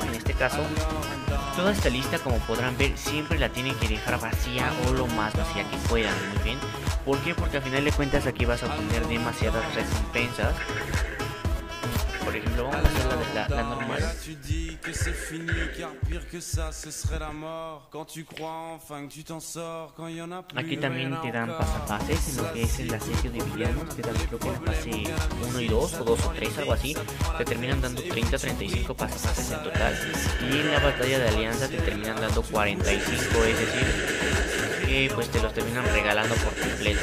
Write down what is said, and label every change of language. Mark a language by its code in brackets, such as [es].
[es] En este caso, toda esta lista, como podrán ver, siempre la tienen que dejar vacía o lo más vacía que puedan, muy bien. ¿Por qué? Porque al final de cuentas aquí vas a obtener demasiadas recompensas. Por ejemplo, vamos a hacer la normal. [fr] Que c'est fini, car pire que ça, ce serait la mort. Quand tu crois enfin que tu t'en sors, quand il y en a plus. [es] Aquí también te dan pasapases, en lo que es el asedio de villanos. Te dan, creo que en la fase 1 y 2, o 2 o 3, algo así. Te terminan dando 30-35 pasapases en total. Y en la batalla de alianza te terminan dando 45, es decir, que pues te los terminan regalando por completo.